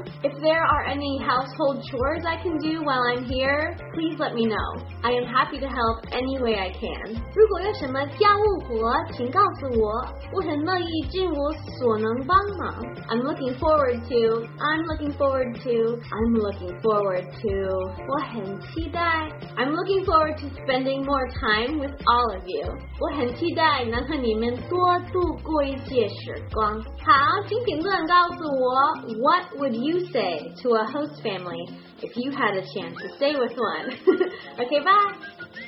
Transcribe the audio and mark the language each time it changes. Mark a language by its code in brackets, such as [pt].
[en] If there are any household chores I can do while I'm here, please let me know. I am happy to help any way I can. [zh] 如果有什么家务活，请告诉我。我很乐意尽我所能帮忙。 [en] I'm looking forward to. [zh] 我很期待。 [en] I'm looking forward to spending more time with all of you. [zh] 我很期待能和你们多度过一些时光。好。请评论告诉我 [en] What would you say to a host family if you had a chance to stay with one? Okay, bye!